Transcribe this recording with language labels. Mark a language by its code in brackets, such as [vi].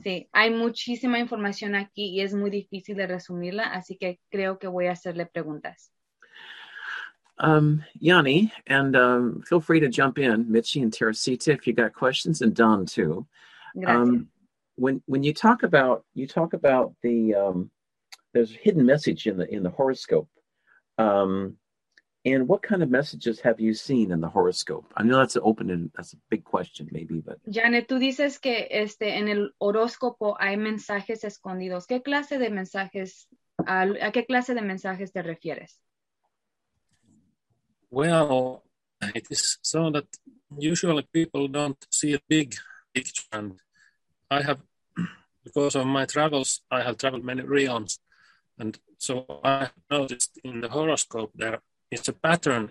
[es] Sí, hay muchísima información aquí y es muy difícil de resumirla, así que creo que voy a hacerle preguntas. [en] Yanni, and feel free to jump in, Michi and Teresita, if you got questions, and Don too. [es] Gracias. [en] When you talk about the there's a hidden message in the horoscope. And what kind of messages have you seen in the horoscope? I know that's an open and that's a big question, maybe, but [es] Janet, tú dices que en el horóscopo hay mensajes escondidos. ¿Qué clase de mensajes a qué clase de mensajes te refieres? [en] Well, it is so that usually people don't see a big picture. And I have, because of my travels, I have traveled many realms. And so I noticed in the horoscope there is a pattern.